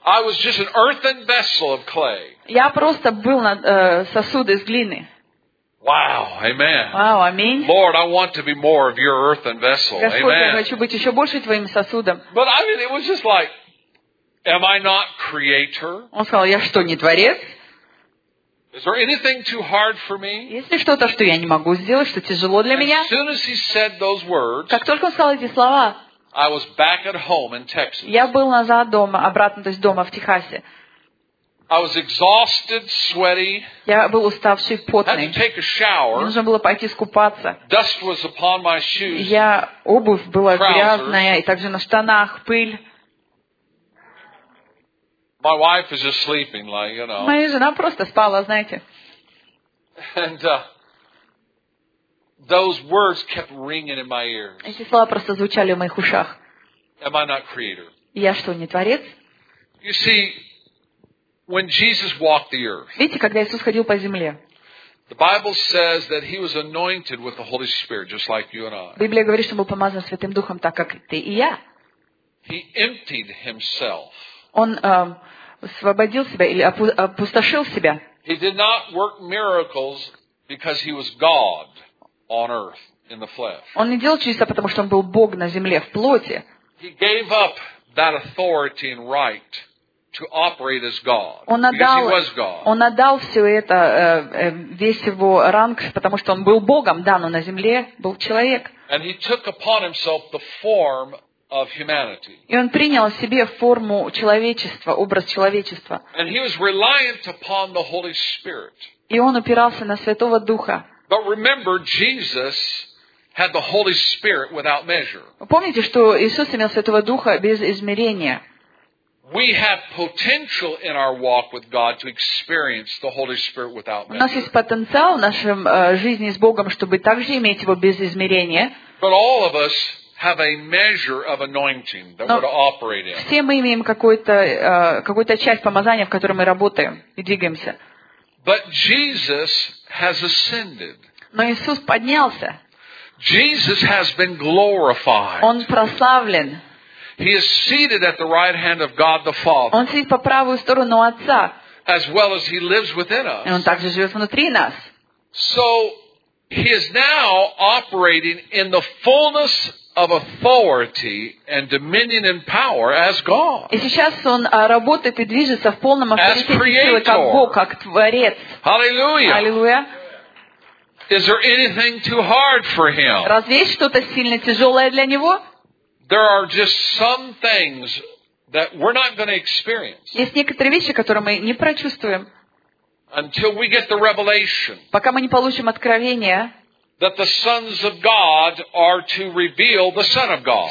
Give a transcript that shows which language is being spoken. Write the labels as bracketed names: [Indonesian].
[English] I was just an earthen vessel of clay. [Russian] Я просто был на сосуд из глины. [English] Wow, amen. [Russian] Wow, аминь. [English] Lord, I want to be more of your earthen vessel. [Russian] Господь, я хочу быть еще больше твоим сосудом. [English] But I mean, it was just like, am I not creator? [Russian] Он сказал, я что, не творец? [English] Is there anything too hard for me? [Russian] Есть ли что-то, что я не могу сделать, что тяжело для меня? [English] As soon as he said those words, [Russian] как только он сказал эти слова, [English] I was back at home in Texas. [Russian] Я был назад дома, обратно, то есть дома в Техасе. [English] I was exhausted, sweaty. [Russian] Я был уставший, потный. [English] Had to take a shower. [Russian] Мне нужно было пойти искупаться. [English] Dust was upon my shoes. [Russian] Я обувь была грязная, и также на штанах пыль. [English] My wife is just sleeping, like, you know. [Russian] Моя жена просто спала, знаете. [English] And those words kept ringing in my ears. [Russian] Эти слова просто звучали в моих ушах. [English] Am I not creator? [Russian] Я что, не творец? [English] You see, when Jesus walked the earth. [Russian] Видите, когда Иисус ходил по земле. [English] The Bible says that he was anointed with the Holy Spirit, just like you and I. [Russian] Библия говорит, что он был помазан Святым Духом, так как ты и я. [English] He emptied himself. [Russian] Он освободил себя или опустошил себя. [English] He did not work miracles because he was God on earth in the flesh. [Russian] Он не делал чудеса, потому что он был Бог на земле в плоти. [English] He gave up that authority and right to operate as God. [Russian] Он отдал, [English] because he was God. [Russian] Он отдал все это, весь его ранг, потому что он был Богом, да, но на земле был человек. [English] And he took upon himself the form of humanity. [Russian] И он принял в себе форму человечества, образ человечества. [English] And he was reliant upon the Holy Spirit. [Russian] И он опирался на Святого Духа. [English] But remember, Jesus had the Holy Spirit without measure. [Russian] Помните, что Иисус имел Святого Духа без измерения. [English] We have potential in our walk with God to experience the Holy Spirit without measure. [Russian] У нас есть потенциал в нашем жизни с Богом, чтобы также иметь его без измерения. [English] But all of us have a measure of anointing that we're to operate in. [Russian] Все мы имеем какую-то часть помазания, в которой мы работаем и двигаемся. [English] But Jesus has ascended. [Russian] Но Иисус поднялся. [English] Jesus has been glorified. [Russian] Он прославлен. [English] He is seated at the right hand of God the Father. [Russian] Он сидит по правую сторону Отца. [English] As well as he lives within us. [Russian] И он также живет внутри нас. [English] So he is now operating in the fullness of authority and dominion and power as God. [Russian] И сейчас он работает и движется в полном авторитете силы как Бог, как Творец. [English] Hallelujah. Hallelujah. Is there anything too hard for him? [Russian] Разве есть что-то сильно тяжелое для него? There are just some things that we're not going to experience. Есть некоторые вещи, которые мы не прочувствуем. Until we get the revelation. Пока мы не получим откровение. [English] That the sons of God are to reveal the Son of God.